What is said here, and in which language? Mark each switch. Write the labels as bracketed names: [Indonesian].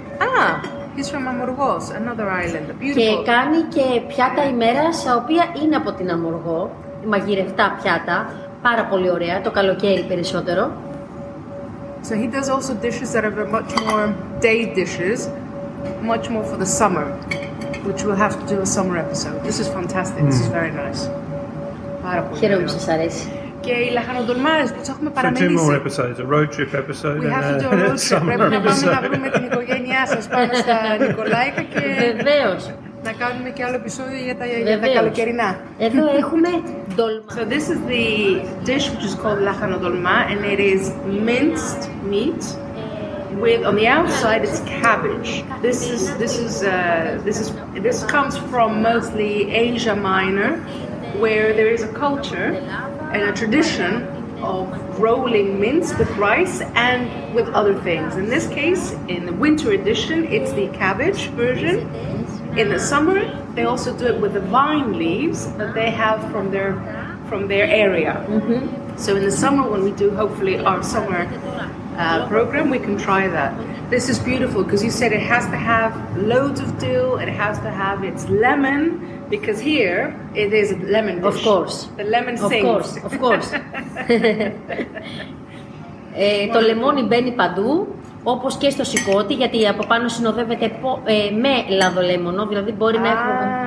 [English] Α, he's from Amorgos, another island. Beautiful. [Greek] Και κάνει και πιάτα ημέρας, τα οποία είναι από την Αμοργό. Μαγειρευτά πιάτα, πάρα πολύ ωραία, το καλοκαίρι περισσότερο. [English] So he does also dishes that are much more day dishes, much more for the summer, which we'll have to do a summer episode. This is fantastic, mm. This is very nice. [Greek] Πάρα πολύ ωραία. Χαίρομαι που σας αρέσει. Και οι λαχανοτολμάδες που τις έχουμε παραμελήσει. [English] So two more episodes, a road trip episode. We have to do a road trip. [Greek] Πρέπει να πάμε να βρούμε την οικογένειά σας πάνω στα Νικολάικα και βεβαίως. Να κάνουμε και άλλο επεισόδιο για τα καλοκαιρινά. Εδώ έχουμε ντολμά. [English] So this is the dish which is called λαχανοτολμά and it is minced meat with on the outside it's cabbage. This comes from mostly Asia Minor where there is a culture and a tradition of rolling mince with rice and with other things. In this case, in the winter edition, it's the cabbage version. In the summer, they also do it with the vine leaves that they have from their area. Mm-hmm. So in the summer, when we do hopefully our summer program, we can try that. This is beautiful because you said it has to have loads of dill, it has to have its lemon, because here it is a lemon dish. Of course. The lemon sings. Of course. [Greek] Το λεμόνι μπαίνει παντού, όπως και στο σηκώτι, γιατί από πάνω συνοδεύεται με λαδολέμονο, δηλαδή μπορεί να έχουμε...